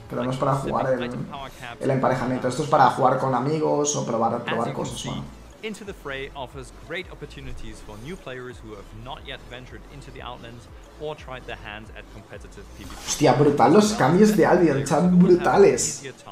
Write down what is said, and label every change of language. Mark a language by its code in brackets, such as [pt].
[es] Pero no es para jugar el emparejamiento, esto es para jugar con amigos o probar cosas, bueno. [en] Into the fray offers great opportunities for new players who have not yet ventured into the Outlands or tried their hands at competitive PvP. [es] Hostia, brutal los cambios de Albion, están brutales.